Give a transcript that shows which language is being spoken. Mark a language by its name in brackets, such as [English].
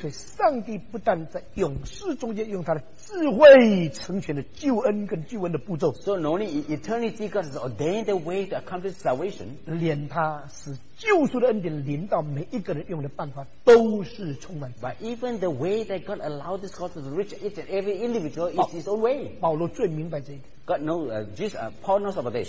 [Chinese] 所以上帝不但在永世中间用他的智慧成全的救恩跟救恩的步骤。 [English] So not only in eternity God has ordained the way to accomplish salvation. [Chinese] 连他是 救赎的恩典临到每一个人用的办法都是充满。 [English] But even the way that God allowed this God to reach each and every individual is his own way. [Chinese] 保罗最明白这一点。 [English] God knows, Paul knows about this.